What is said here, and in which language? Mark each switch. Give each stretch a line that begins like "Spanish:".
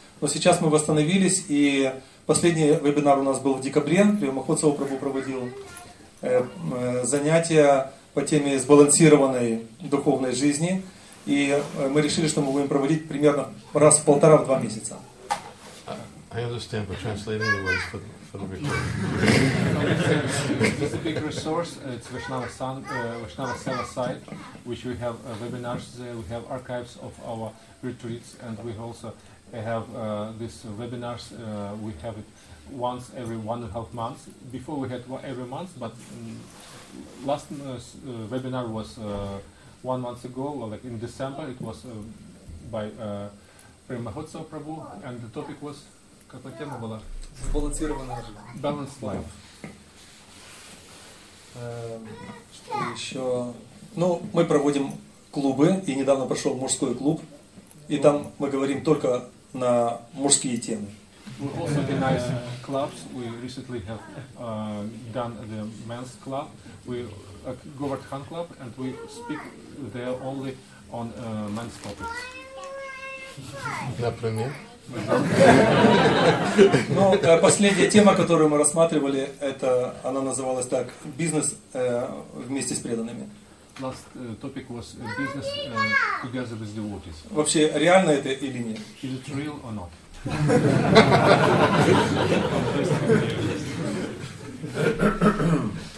Russian: Но сейчас мы восстановились, и последний вебинар у нас был в декабре, Прима Хоцова Прабу проводил занятия по теме сбалансированной духовной жизни, и мы решили, что мы будем проводить примерно раз в полтора, в два месяца.
English: I understand, but translating it was for the recording. It's a big resource. It's Vaishnava Sun, Vaishnava Seva site, which we have webinars there. We have archives of our retreats, and we also have these webinars. We have it once every 1.5 months. Before we had every month, but last webinar was 1 month ago, or like in December. It was by Prima Hotso Prabhu, and the topic was.
Russian: Какая тема была? Сбалансированная жизнь.
English: Balanced life.
Russian: Что еще? Ну, мы проводим клубы, и недавно прошел мужской клуб, и там мы говорим только на мужские темы.
English: We also organize clubs. We recently have done the men's club. We Govardhan club, and we speak there only on men's topics.
Russian: Например? Ну, последняя тема, которую мы рассматривали, это она называлась так: бизнес вместе с преданными.
English: Last topic was business together with devotees.
Russian: Вообще реально это или нет?
English: Is it real or not?